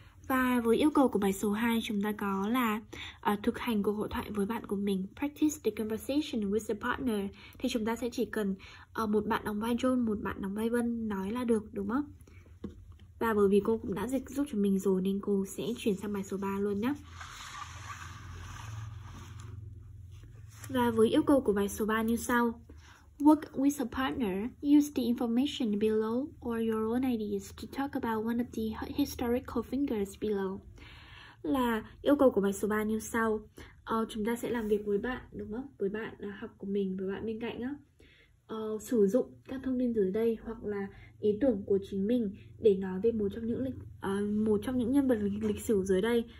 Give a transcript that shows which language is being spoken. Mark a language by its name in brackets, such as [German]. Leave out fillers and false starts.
[Vietnamese] Và với yêu cầu của bài số 2 chúng ta có là thực hành cuộc hội thoại với bạn của mình, [English] practice the conversation with the partner, [Vietnamese] thì chúng ta sẽ chỉ cần một bạn đóng vai John, một bạn đóng vai Vân nói là được đúng không? Và bởi vì cô cũng đã dịch giúp cho mình rồi nên cô sẽ chuyển sang bài số 3 luôn nhé. Và với yêu cầu của bài số 3 như sau: [English] Work with a partner. Use the information below or your own ideas to talk about one of the historical figures below. [Vietnamese] Là yêu cầu của bài số 3 như sau. Chúng ta sẽ làm việc với bạn, đúng không? Với bạn học của mình, với bạn bên cạnh á. Sử dụng các thông tin dưới đây hoặc là ý tưởng của chính mình để nói về một trong những nhân vật lịch sử dưới đây.